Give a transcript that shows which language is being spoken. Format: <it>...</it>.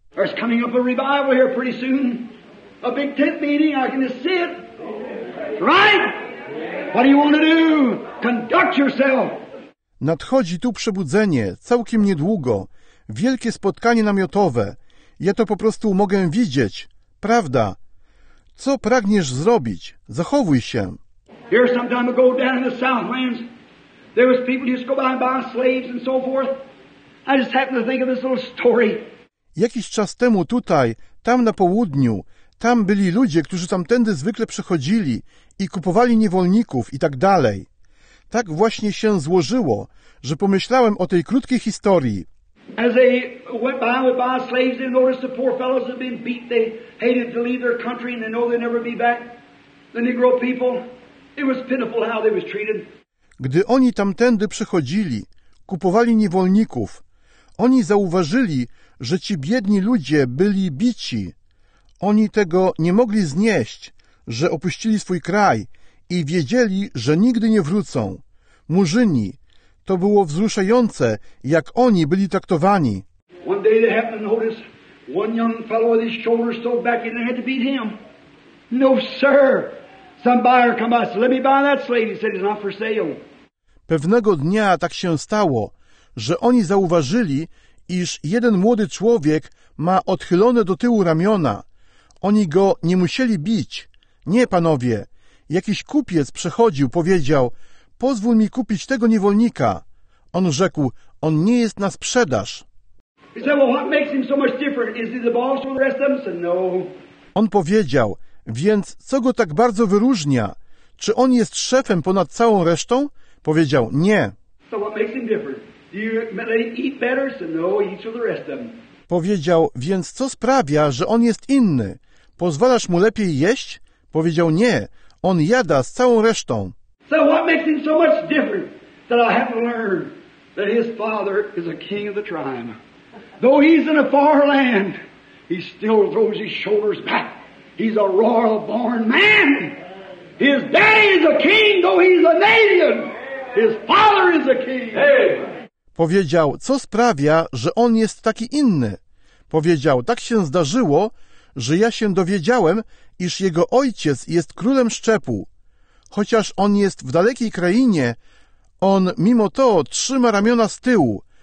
<en>There's coming up a revival here pretty soon. A big tent meeting, I can just see it. Right? What do you want to do? Conduct yourself.</en> <pl>Nadchodzi tu przebudzenie, całkiem niedługo. Wielkie spotkanie namiotowe. Ja to po prostu mogę widzieć. Prawda? Co pragniesz zrobić? Zachowuj się.</pl> <en>Here some time ago down in the Southlands, there was people who used to go by and buy slaves and so forth. I just happened to think of this little story.</en> <pl>Jakiś czas temu tutaj, tam na południu, tam byli ludzie, którzy tamtędy zwykle przechodzili i kupowali niewolników i tak dalej. Tak właśnie się złożyło, że pomyślałem o tej krótkiej historii.</pl> <en>As they went by and buy slaves, they noticed the poor fellows had been beat. They hated to leave their country and they know they'd never be back. The Negro people, it was pitiful how they was treated.</en> <pl>Gdy oni tamtędy przychodzili, kupowali niewolników, oni zauważyli, że ci biedni ludzie byli bici. Oni tego nie mogli znieść, że opuścili swój kraj i wiedzieli, że nigdy nie wrócą. Murzyni, to było wzruszające, jak oni byli traktowani.</pl> <en>One day they happened to notice one young fellow with his shoulders so back and they had to beat him. No, sir. Some buyer come by, said, let me buy that slave. He said, it's not for sale.</en> <pl>Pewnego dnia tak się stało, że oni zauważyli, iż jeden młody człowiek ma odchylone do tyłu ramiona. Oni go nie musieli bić. Nie, panowie. Jakiś kupiec przechodził, powiedział, pozwól mi kupić tego niewolnika. On rzekł, on nie jest na sprzedaż.</pl> <en>He said, well, what makes him so much different? Is he the boss or the rest of them? Said, no.</en> <pl>On powiedział, więc co go tak bardzo wyróżnia? Czy on jest szefem ponad całą resztą? Powiedział, nie.</pl> <en>So what makes him different? Do you eat better? So no, eat with the rest of them.</en> <pl>Powiedział, więc co sprawia, że on jest inny? Pozwalasz mu lepiej jeść? Powiedział, nie. On jada z całą resztą.</pl> <en>So what makes him so much different? That I have to learn that his father is a king of the tribe. Though he's in a far land, he still throws his shoulders back. He's a royal born man. His daddy is a king, though he's an alien. His father is a king.</en> <pl>Powiedział, co sprawia, że on jest taki inny? Powiedział, tak się zdarzyło, że ja się dowiedziałem, iż jego ojciec jest królem szczepu. Chociaż on jest w dalekiej krainie, on mimo to trzyma ramiona z tyłu.</pl>